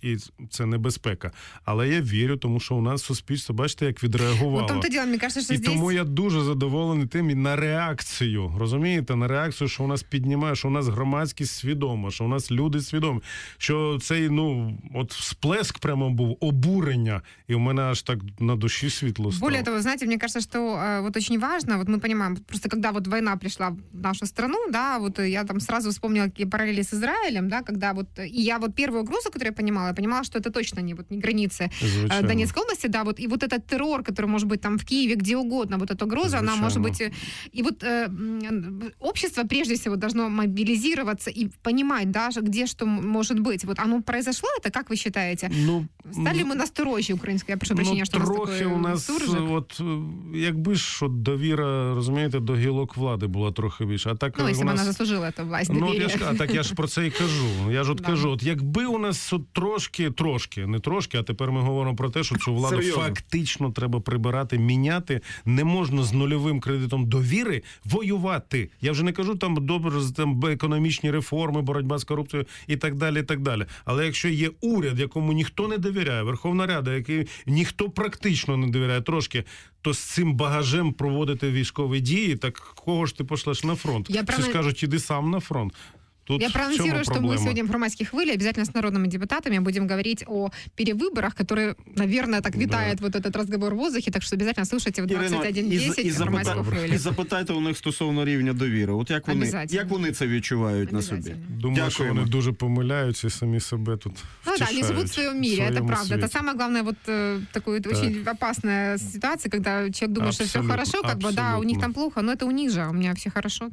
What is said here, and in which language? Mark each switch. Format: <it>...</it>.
<uk>І це небезпека. Але я вірю, тому що у нас суспільство, бачите, як відреагувало. Ну, тому-то діло, мені кажеться, що і тому я дуже задоволений тим і на реакцію. Розумієте? На реакцію, що у нас піднімає, що у нас громадськість свідома, що у нас люди свідомі. Що цей, ну, от сплеск прямо був, обурення. І в мене аж так на душі світло стало.</uk> <ru>Более того,</ru> <uk>знаєте, мені кажеться, що от дуже важливо, от ми розуміємо, просто коли от війна прийшла в нашу страну,</uk> <ru>да, от я там сразу вспомнила параллели с Израилем, да, когда вот и я вот первую угрозу, которую я понимала, что это точно не, вот, не границы Донецкой области, да, вот, и вот этот террор, который может быть там в Киеве, где угодно, вот эта угроза, звучайно, она может быть, и вот общество прежде всего должно мобилизироваться и понимать, да, где что может быть. Вот оно произошло, это как вы считаете? Ну, стали мы настороже украинские, я прошу прощения, что</ru> <uk>трохи у нас суржик.</uk> <ru>Вот, как бы, что довера, разумеете,</ru> <uk>до гілок влади</uk> <ru>была</ru> <uk>трохи більше,</uk> <ru>а так... Ну, если нас... она заслужила эту власть доверия.</ru> <uk>А так я ж про це і кажу. Я ж от кажу, от якби у нас от трошки, не трошки, а тепер ми говоримо про те, що цю владу серйозно фактично треба прибирати, міняти. Не можна з нульовим кредитом довіри воювати. Я вже не кажу там добре там економічні реформи, боротьба з корупцією і так далі, і так далі. Але якщо є уряд, якому ніхто не довіряє, Верховна Рада, який ніхто практично не довіряє трошки, то з цим багажем проводити військові дії, так кого ж ти пошлеш на фронт? Всі скажуть, іди сам на фронт.</uk> <ru>Я проанонсирую, что проблема? Мы сегодня в громадской хвиле обязательно с народными депутатами будем говорить о перевыборах, которые, наверное, так витает, да, вот этот разговор в воздухе, так что обязательно слушайте в 21.10 в громадской хвиле.</ru> <uk>И запитайте у них стосовно рівня довіри. От як вони це відчувають на собі? Думаю, дякую, що вони дуже помиляються і самі себе тут втішають.</uk> <ru>Ну да, они живут в своем мире, это правда. Это самое главное, вот такая очень опасная ситуация, когда человек думает, абсолютно, что все хорошо, как абсолютно бы, да, у них там плохо, но это у них же, у меня все хорошо.</ru>